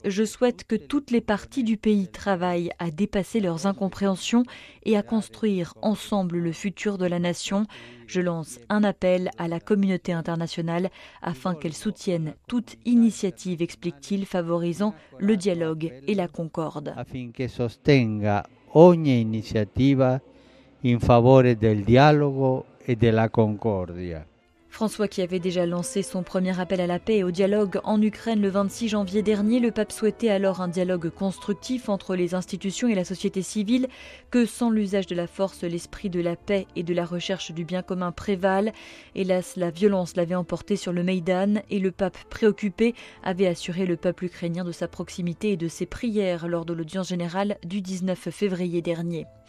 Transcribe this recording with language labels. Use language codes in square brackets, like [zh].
[fr] Je souhaite que toutes les parties du pays travaillent à dépasser leurs incompréhensions et à construire ensemble le futur de la nation. Je lance un appel à la communauté internationale afin qu'elle soutienne toute initiative, explique-t-il, favorisant le dialogue et la concorde. [it] Affinché sostenga ogni iniziativa in favore del dialogo e della concordia. [fr] François, qui avait déjà lancé son premier appel à la paix et au dialogue en Ukraine le 26 janvier dernier, le pape souhaitait alors un dialogue constructif entre les institutions et la société civile, que sans l'usage de la force, l'esprit de la paix et de la recherche du bien commun prévalent. Hélas, la violence l'avait emporté sur le Maïdan et le pape, préoccupé, avait assuré le peuple ukrainien de sa proximité et de ses prières lors de l'audience générale du 19 février dernier.